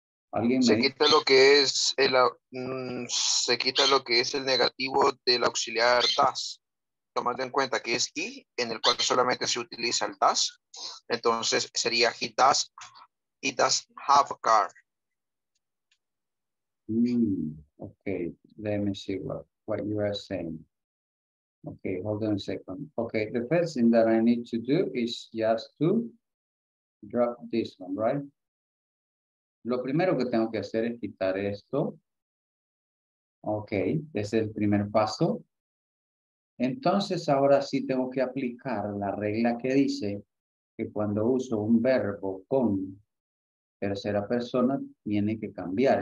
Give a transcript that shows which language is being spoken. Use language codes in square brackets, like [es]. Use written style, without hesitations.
[es] ¿Alguien se quita lo que es el se quita lo que es el negativo del auxiliar does? Tomando en cuenta que es he, en el cual solamente se utiliza el does, entonces sería [en] he does have a car. Okay, let me see what you are saying. Okay, hold on a second. Okay, the first thing that I need to do is just to drop this one, right? [es] Lo primero que tengo que hacer es quitar esto. Okay, ese es el primer paso. Entonces, ahora sí tengo que aplicar la regla que dice que cuando uso un verbo con tercera persona, tiene que cambiar.